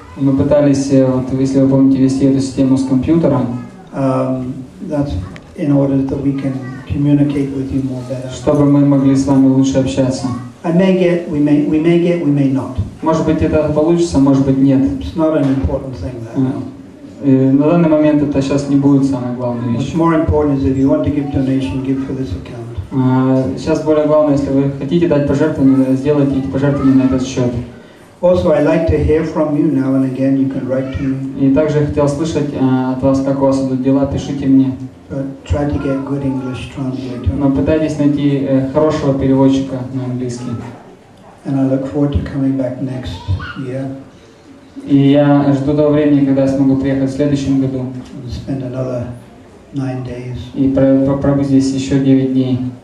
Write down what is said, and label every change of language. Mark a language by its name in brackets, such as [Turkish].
[Russian] Мы пытались, вот если вы помните, вести эту систему с компьютером. [English] That's in order that we can communicate with you more better. [Russian] Чтобы мы могли с вами лучше общаться. [English] We may not. [Russian] Может быть это получится, может быть нет. [English] It's not an important thing that. [Russian] На данный момент это сейчас не будет самой главной вещью. [English] What's more important is if you want to give donation, give for this account. [Russian] Сейчас более главное, если вы хотите дать пожертвование, сделайте эти пожертвования на этот счет. [English] Also, I like to hear from you now and again. You can write to me. [Russian] И также хотел слышать от вас, как у вас идут дела. Пишите мне. [English] Try to get good English translator. [Russian] Но пытайтесь найти хорошего переводчика на английский. [English] And I look forward to coming back next year. [Russian] И я жду того времени, когда я смогу приехать в следующем году. [English] Spend another 9 days. [Russian] И пробыть здесь еще 9 дней.